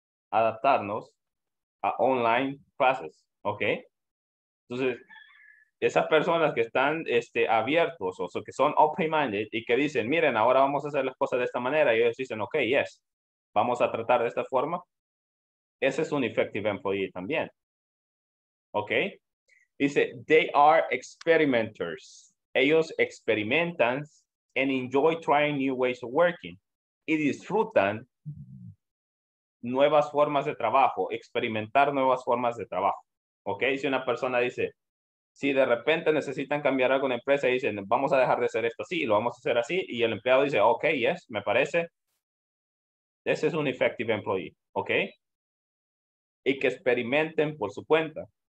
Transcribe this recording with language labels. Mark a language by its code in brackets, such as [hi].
[es] Adaptarnos a [en] online classes, [es] ¿ok? Entonces, esas personas que están abiertos o que son open-minded y que dicen, miren, ahora vamos a hacer las cosas de esta manera, y ellos dicen, ok, yes, vamos a tratar de esta forma, ese es un [en] effective employee [es] también. [en] Ok, dice, they are experimenters. [es] Ellos experimentan [en] and enjoy trying new ways of working [es] y disfrutan nuevas formas de trabajo, experimentar nuevas formas de trabajo. Ok, si una persona dice, si de repente necesitan cambiar algo en la empresa, dicen, vamos a dejar de hacer esto así, lo vamos a hacer así, y el empleado dice, ok, yes, me parece, ese es un [en] effective employee, [es] ok, y que experimenten por su cuenta.